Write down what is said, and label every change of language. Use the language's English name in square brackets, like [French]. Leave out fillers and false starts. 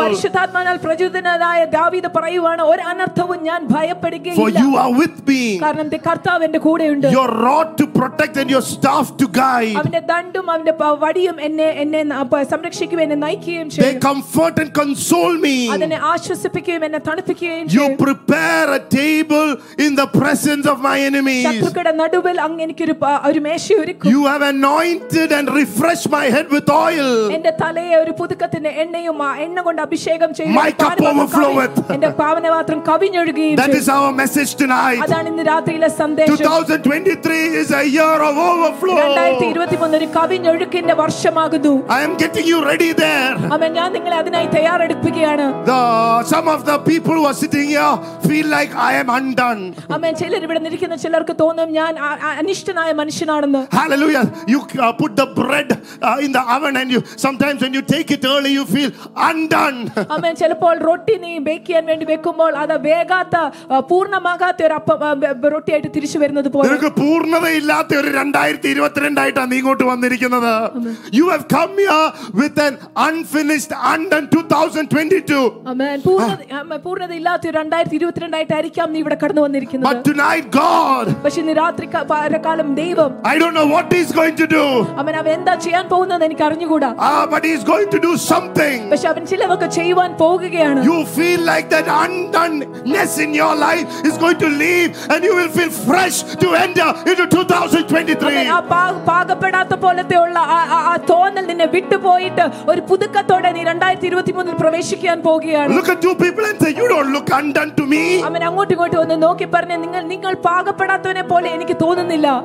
[Malayalam] പരിശുദ്ധാത്മാവിനാൽ പ്രചോദിതനായ ദാവീദ് പറയുകയാണ്, ഒരു അനർത്ഥവും ഞാൻ ഭയപ്പെടുകയില്ല. [English] For you are with me. [Malayalam] കാരണം കർത്താവ് എന്റെ കൂടെയുണ്ട്. [English] Your rod to protect and your staff to guide. [Malayalam] അവന്റെ ദണ്ഡും അവന്റെ വടിയും എന്നെ സംരക്ഷിക്കുകയും എന്നെ നയിക്കുകയും ചെയ്യും. [English] They comfort and console me. [Malayalam] അവനെ ആശ്വസിപ്പിക്കുകയും എന്നെ തണുപ്പിക്കുകയും ചെയ്യും. [English] You prepare a table in the presence of my enemies. [Malayalam] ശത്രുക്കളുടെ നടുവിൽ അങ്ങ് എനിക്ക് ഒരു മേശ ഒരുക്കും. [English] You have anointed and refreshed my head with oil. [Malayalam] എന്റെ തലയെ ഒരു പുതുക്കത്തിന്റെ എണ്ണയും എണ്ണ കൊണ്ട് അഭിഷേകം ചെയ്യും. [English] My cup overfloweth. [Malayalam] എന്റെ പാവനപാത്രം കവിഞ്ഞൊഴുകുകയും ചെയ്യും. [English] That is our message tonight. [Malayalam] അതാണ് ഇന്ന് രാത്രിയിലെ സന്ദേശം. [English] 2023 is a year of overflow. [Malayalam] 2023 ഒരു കവിഞ്ഞൊഴുക്കിന്റെ വർഷമാകുന്നു. [English] I am getting you ready there. [Malayalam] അമ്മേ ഞാൻ നിങ്ങളെ അതിനായി തയ്യാറെടുപ്പിക്കുകയാണ്. [English] Some of the people who are sitting here feel like I am undone. [Malayalam] അമ്മേ ചിലർ ഇവിടെ നിൽക്കുന്ന ചിലർക്ക് തോന്നും ഞാൻ അനിഷ്ടനായ മനുഷ്യനാണെന്ന്. [English] Hallelujah. You put the bread in the oven and you sometimes when you take it early you feel undone. [Malayalam] അമ്മേ ചിലപ്പോൾ റൊട്ടി നീ ബേക്ക് ചെയ്യാൻ വേണ്ടി വെക്കുമ്പോൾ അത് വേഗത്ത പൂർണ്ണമാകാത്ത ഒരു അപ്പം റൊട്ടി ആയിട്ട് തിരിച്ചു വരുന്നത് പോലെ. നിനക്ക് പൂർണ്ണതയില്ലാത്ത ഒരു രണ്ട് 2022 ആയിട്ടാണ് നീ ഇങ്ങോട്ട് വന്നിരിക്കുന്നത് [English] you have come here with an unfinished undone 2022 [Malayalam] ആമേൻ പൂർണ്ണത ഇല്ലാത്ത 2022 ആയിട്ടായിരിക്കാം നീ ഇവിടെ കടന്നു വന്നിരിക്കുന്നത് [English] but tonight God [Malayalam] പക്ഷേ ഇന്ന് രാത്രി കാലം ദൈവം [English] I don't know what is going to do [Malayalam] ആമേൻ അവൻ എന്താ ചെയ്യാൻ പോകുന്നത് എനിക്ക് അറിഞ്ഞുകൂടാ [English] ആ but he's going to do something [Malayalam] പക്ഷേ അവൻ ചിലതൊക്കെ ചെയ്യുവാൻ പോകുകയാണ് [English] you feel like that undoneness in your life is going to leave and you will feel fresh to enter into 2023 [Malayalam] പാകപ്പെടാത്ത പോലത്തെ ഉള്ള ആ തോന്നൽ നിന്നെ വിട്ടുപോയിട്ട് ഒരു പുതുക്കത്തോടെ നീ 2023 പ്രവേശിക്കാൻ പോകുകയാണ് [English] look at two people and say you don't look undone to me [Malayalam] അവൻ അങ്ങോട്ടും ഇങ്ങോട്ടും ഒന്ന് നോക്കി പറഞ്ഞു നിങ്ങൾ പാകപ്പെടാത്തവനെ പോലെ എനിക്ക് തോന്നുന്നില്ല